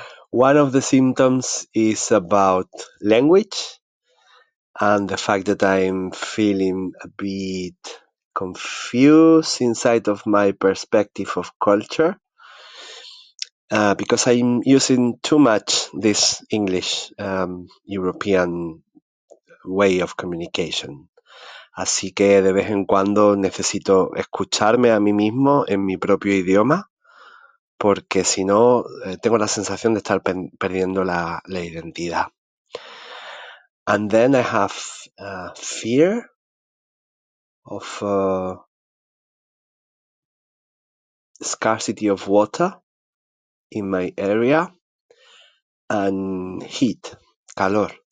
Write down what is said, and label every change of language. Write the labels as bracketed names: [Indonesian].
[English] One of the symptoms is about language and the fact that I'm feeling a bit confused inside of my perspective of culture. Because I'm using too much this English, European way of communication. [Spanish] Así que de vez en cuando necesito escucharme a mí mismo en mi propio idioma, porque si no, tengo la sensación de estar perdiendo la identidad. [English] And then I have fear of scarcity of water in my area, and heat, calor.